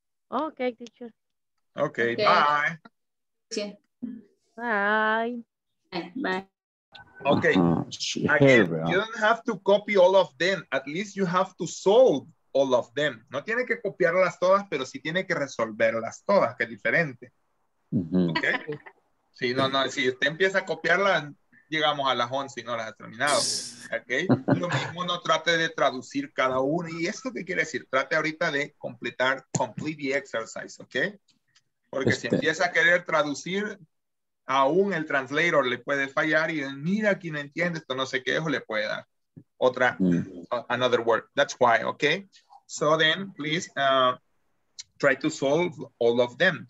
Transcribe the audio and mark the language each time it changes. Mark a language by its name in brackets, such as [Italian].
[English] Okay, teacher. Okay, okay. Bye. Bye. Bye. Okay, again, you don't have to copy all of them. At least you have to solve all of them. [Spanish] No tiene que copiarlas todas, pero sí tiene que resolverlas todas, que es diferente. Mm-hmm. [English] Okay. [Spanish] Sí, no, no, si usted empieza a copiarlas, llegamos a las 11 y no las ha terminado. Okay. Lo mismo, no trate de traducir cada una. ¿Y esto qué quiere decir? Trate ahorita de completar, [English] complete the exercise, okay? [Spanish] Porque si empieza a querer traducir... Aún el translator le puede fallar y mira quién entiende esto, no sé qué, o le puede dar otra, [English] another word. That's why, okay? So then, please, try to solve all of them.